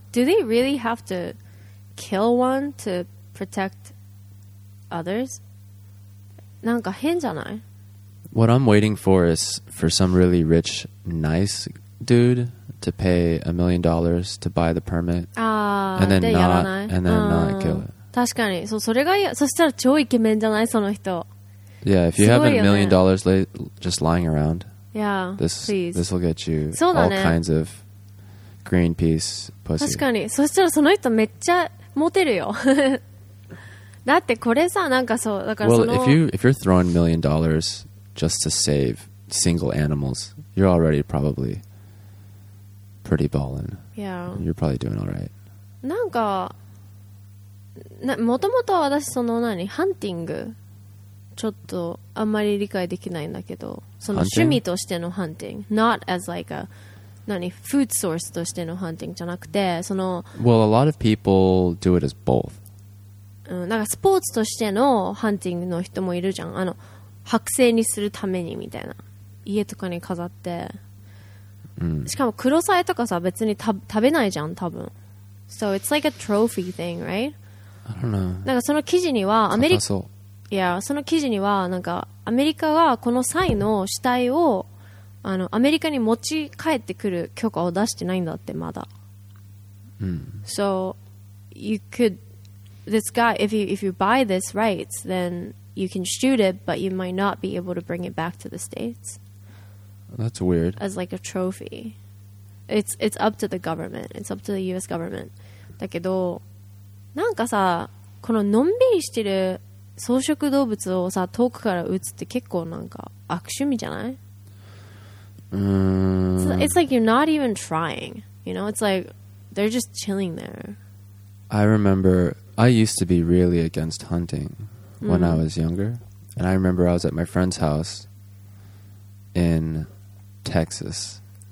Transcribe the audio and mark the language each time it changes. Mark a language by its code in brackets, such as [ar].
[en] Do they really have to kill one to protect others? [ja] なんか変じゃない。 [en] What I'm waiting for is for some really rich nice dude to pay $1 million to buy the permit and then not and then not kill it. [ja] 確かに、そう、それがいい。そしたら超イケメンじゃないその人。 [en] Yeah, if you have $1 million just lying around, yeah, this will get you all kinds of Greenpeace pussy. [ja] 確かに、そしたらその人めっちゃモテるよ。だってこれさなんかそう、だからその。 [en] Well, if you're throwing $1 million just to save single animals, you're already probably pretty ballin. Yeah. You're probably doing all right. [ja] なんか、もともと私その何ハンティングちょっとあんまり理解できないんだけど、その趣味としてのハンティング、 [en] not as like a [ja] 何 [en] food source [ja] としてのハンティングじゃなくて、その [en] Well, a lot of people do it as both. [ja] なんかスポーツとしてのハンティングの人もいるじゃん。剥製にするためにみたいな、家とかに飾って。 Mm. しかもクロサイとかさ別に食べないじゃん多分。 [en] So it's like a trophy thing, right? I don't know. [ja] なんかその記事にはアメリカ、そう。いや、その記事にはなんかアメリカがこのサイの死体をアメリカに持ち帰ってくる許可を出してないんだってまだ。 Mm. [en] So you could this guy if you buy this rights then you can shoot it but you might not be able to bring it back to the States. That's weird. As like a trophy. It's up to the government. It's up to the US government. [ja] だけど、なんかさ、こののんびりしてる草食動物をさ、遠くから撃つって結構なんか悪趣味じゃない？ [en] It's like you're not even trying. You know, it's like they're just chilling there. I remember I used to be really against hunting when I was younger. And I remember I was at my friend's house in... Texas.